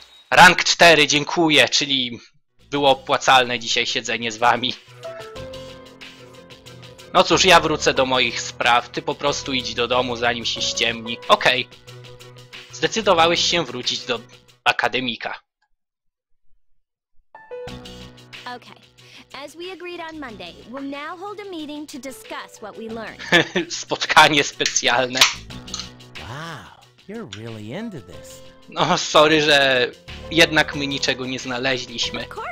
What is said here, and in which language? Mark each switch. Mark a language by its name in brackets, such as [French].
[Polish] Rank 4, dziękuję, czyli było opłacalne dzisiaj siedzenie z wami. No cóż, ja wrócę do moich spraw, ty po prostu idź do domu zanim się ściemni. Okej. Zdecydowałeś się wrócić do akademika. Okej. [English] As we agreed on Monday, we'll now hold a meeting to discuss what we learned. [Polish] Spotkanie specjalne. [English] Wow, you're really into this. [Polish] No, sorry, że jednak my niczego nie znaleźliśmy.